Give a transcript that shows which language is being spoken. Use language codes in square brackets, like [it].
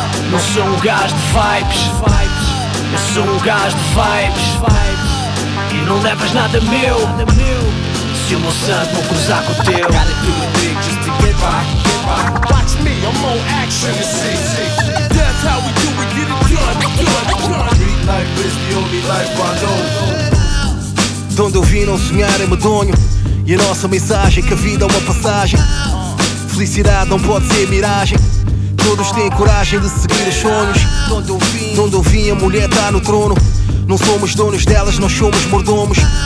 [pt] Não sou um gajo de vibes. Eu sou um gajo de vibes. E não levas nada meu. Se o meu sangue não cruzar com o teu. [en] Gotta do it big just to get by. Watch me, I'm on action. That's how we do it, get it done, done, done. Street life is the only life I know. [pt] De onde eu vim não sonhar é medonho. E a nossa mensagem que a vida é uma passagem. Felicidade não pode ser miragem. Todos têm coragem de seguir os sonhos. De onde eu vim a mulher está no trono. Não somos donos delas, nós somos mordomos.